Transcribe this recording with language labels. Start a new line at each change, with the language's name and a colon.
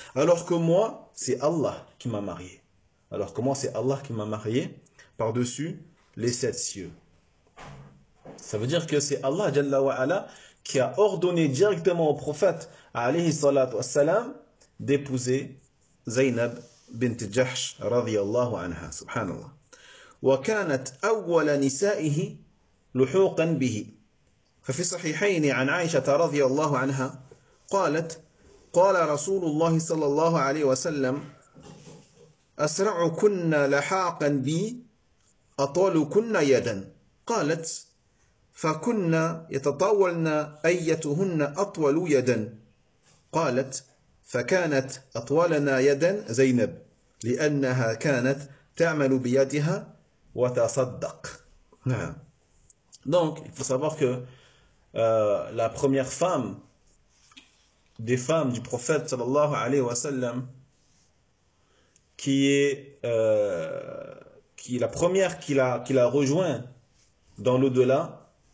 French: Alors que moi, c'est Allah qui m'a marié. Alors que moi, c'est Allah qui m'a marié par-dessus les sept cieux. Ça veut dire que c'est Allah jalla wa ala qui a ordonné directement au prophète alayhi salatu wa sallam d'épouser Zainab bint Jahsh radiyallahu anha.
Arabic: Subhanallah. Wa kanat awwala nisa'ihi لحوقا به ففي الصحيحين عن عائشة رضي الله عنها قالت قال رسول الله صلى الله عليه وسلم أسرعكن لحاقا بي أطولكن يدا قالت فكن يتطاولن أيتهن أطول يدا قالت فكانت أطولنا يدا زينب لأنها كانت تعمل بيدها وتصدق. نعم.
French: Donc, il faut savoir que la première femme des femmes du prophète sallallahu alayhi wa sallam, qui est la première qui l'a rejoint dans l'au-delà,